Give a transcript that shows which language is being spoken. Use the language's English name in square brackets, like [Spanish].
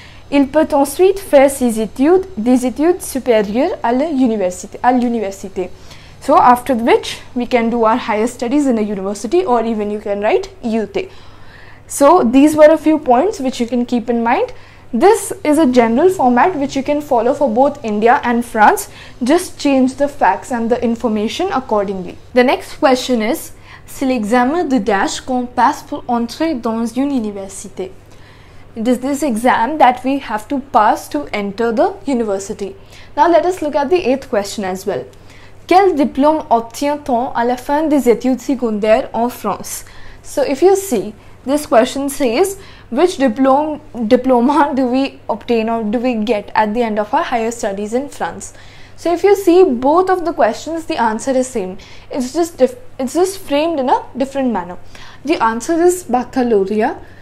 [French] Il peut ensuite faire ses études, des études supérieures à l'université. [English] So after which we can do our higher studies in a university, or even you can write UT. So these were a few points which you can keep in mind. This is a general format which you can follow for both India and France. Just change the facts and the information accordingly. The next question is, [French] c'est l'examen de DASH qu'on passe pour entrer dans une université. [English] It is this exam that we have to pass to enter the university. Now let us look at the 8th question as well. [French] Quel diplôme obtient-on à la fin des études secondaires en France? [English] So if you see, this question says, which diploma do we obtain or do we get at the end of our higher studies in France? So if you see both of the questions, the answer is same. It's just framed in a different manner. The answer is baccalaureate.